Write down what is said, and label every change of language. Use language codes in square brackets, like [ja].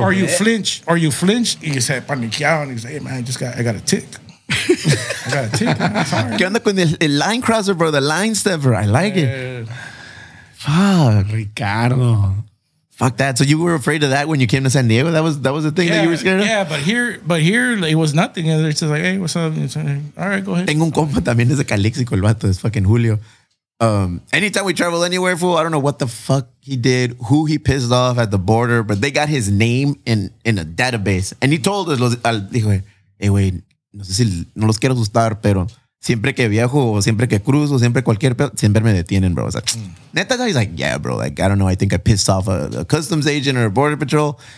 [en] Or you flinch? [es] Y se paniqueaban. Y dice, [en] hey, man, I got a tick. I got a tick. Sorry. [es] ¿Qué onda con el [en] line crosser, bro? The line stepper. I like it. Fuck. Ricardo. Fuck that. So you were afraid of that when you came to San Diego? That was the thing that you were scared of? Yeah, but here it was nothing. It's just like, hey, what's up? It's like, all right, go ahead. [es] Tengo un compa también desde Calexico, el vato. Es fucking Julio. [en] Anytime we travel anywhere, fool, I don't know what the fuck he did, who he pissed off at the border, but they got his name in a database. And he told us, [es] dijo, hey, güey, no sé si no los quiero asustar, pero siempre que viajo, o siempre que cruzo, siempre cualquier pedo, siempre me detienen, bro. [en] I was like, neta, he's like, yeah, bro, like, I don't know, I think I pissed off a customs agent or a border patrol.